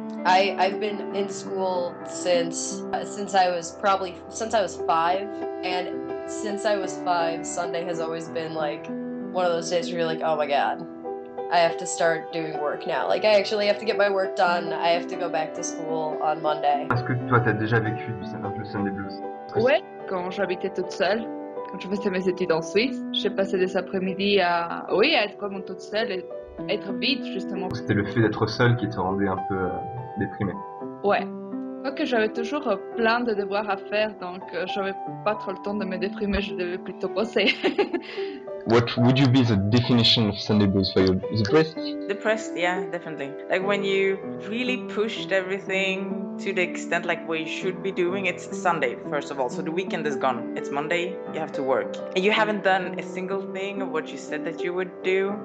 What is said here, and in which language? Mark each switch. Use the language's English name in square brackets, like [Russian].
[English] I've been in school since I was five, and since I was five, Sunday has always been like one of those days where you're like, oh my god, I have to start doing work now. Like, I actually have to get my work done. I have to go back to school on Monday. [French] Est-ce que toi t'as déjà vécu le Sunday blues? Ouais, quand j'habitais toute seule, quand je faisais mes études en Suisse, j'ai passé des après-midi à être vraiment toute seule et être vide justement. C'était le fait d'être seule qui te rendait un peu déprimé. Ouais. Quoique j'avais toujours plein de devoirs à faire, donc j'avais pas trop le temps de me déprimer, je devais plutôt bosser. [English] What would you be the definition of Sunday blues for you? Depressed? Depressed, yeah, definitely. Like when you really pushed everything, to the extent like we should be doing. It's Sunday, first of all, so the weekend is gone. It's Monday, you have to work. And you haven't done a single thing of what you said that you would do.